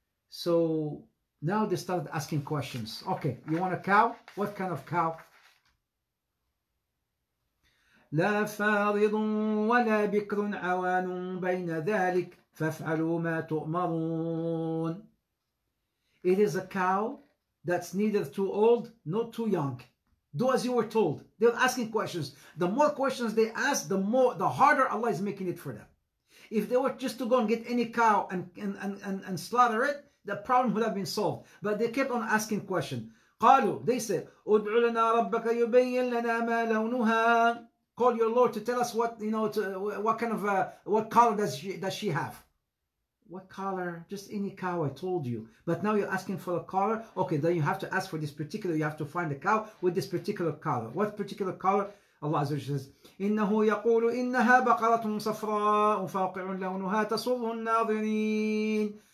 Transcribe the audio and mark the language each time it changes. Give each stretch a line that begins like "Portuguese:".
English: So now they started asking questions. Okay, you want a cow? What kind of cow?
Arabic: لا فارض ولا بكر عوان بين ذلك فافعلوا ما تؤمرون.
English: It is a cow that's neither too old nor too young. Do as you were told. They're asking questions. The more questions they ask, the harder Allah is making it for them. If they were just to go and get any cow and slaughter it, the problem would have been solved. But they kept on asking questions.
Arabic: قالوا,
English: they said,
Arabic: ادعوا لنا ربك يبين لنا ما لونها.
English: Call your Lord to tell us what, you know, what color does she have? What color? Just any cow, I told you. But now you're asking for a color. Okay, then you have to ask for this particular. You have to find a cow with this particular color. What particular color?
Arabic: Allah Azza wa Jalla says, إِنَّهُ يَقُولُ إِنَّهَا بَقَرَةٌ صَفْرَاءٌ فَاقِعٌ لَوْنُهَا تَسُرُّ النَّاظِرِينَ.